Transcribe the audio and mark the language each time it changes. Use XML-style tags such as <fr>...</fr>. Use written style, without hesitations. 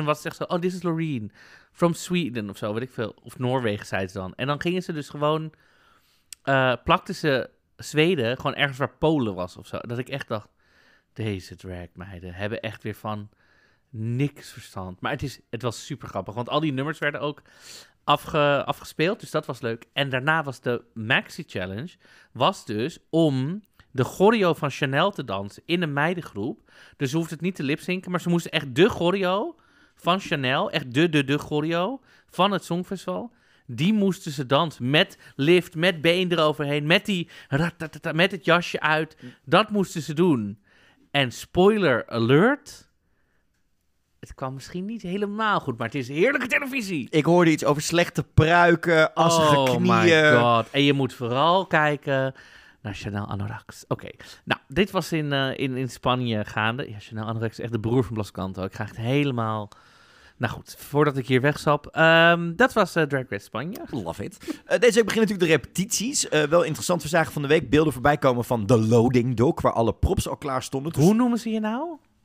<nl>En was het echt zo,</nl> <en>oh, this is Loreen from Sweden</en> <nl>of zo, weet ik veel. Of Noorwegen, zei ze dan. En dan gingen ze dus gewoon, plakten ze Zweden gewoon ergens waar Polen was of zo. Dat ik echt dacht, deze dragmeiden hebben echt weer van niks verstand. Maar het was super grappig, want al die nummers werden ook afgespeeld. Dus dat was leuk. En daarna was de Maxi Challenge, was dus om... de choreo van Chanel te dansen in een meidengroep. Dus ze hoefde het niet te lipzinken, maar ze moesten echt de choreo van Chanel, echt de choreo van het Songfestival, die moesten ze dansen met lift, met been eroverheen, met het jasje uit. Dat moesten ze doen. En spoiler alert, het kwam misschien niet helemaal goed, maar het is heerlijke televisie. Ik hoorde iets over slechte pruiken, assige knieën.</nl> <en>Oh my god,</en> <nl>en je moet vooral kijken... naar Chanel Anorax. Oké. Nou, dit was in Spanje gaande. Ja, Chanel Anorax is echt de broer van Blaskanto. Ik krijg het helemaal... Nou goed, voordat ik hier wegsap. Dat was Drag Race Spanje.</nl> <en>Love it.</en> <nl>Deze week beginnen natuurlijk de repetities. Wel interessant, we zagen van de week beelden voorbij komen van The Loading Dock, waar alle props al klaar stonden. Hoe noemen ze je nou?</nl>